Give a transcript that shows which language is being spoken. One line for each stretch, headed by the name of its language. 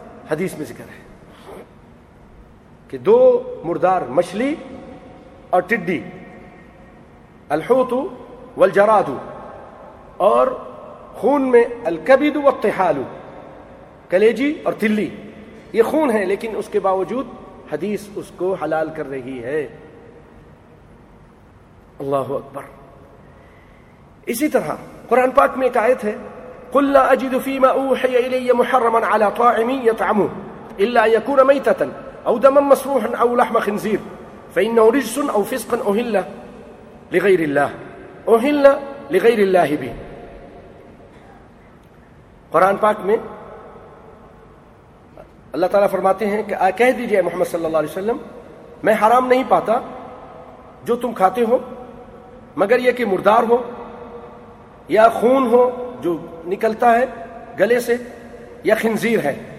Urdu: حدیث میں ذکر ہے کہ دو مردار مچھلی اور ٹڈی,
Arabic: الحوت والجراد,
Urdu: اور خون میں
Arabic: الکبد والطحال,
Urdu: کلیجی اور تلی, یہ خون ہے لیکن اس کے باوجود حدیث اس کو حلال کر رہی ہے. اللہ اکبر. اسی طرح قرآن پاک میں ایک آیت ہے,
Arabic: قل لا اجد فيما اوحي الي محرما على طاعم يطعمه الا يكون ميتة او دما مسفوحا او لحم خنزير فانه رجس او فسقا اهل لغير الله اهل لغير الله به.
Urdu: قرآن پاک میں اللہ تعالیٰ فرماتے ہیں کہ کہہ دیجئے محمد صلی اللہ علیہ وسلم, میں حرام نہیں پاتا جو تم کھاتے ہو مگر یہ کہ مردار ہو یا خون ہو جو نکلتا ہے گلے سے یا خنزیر ہے.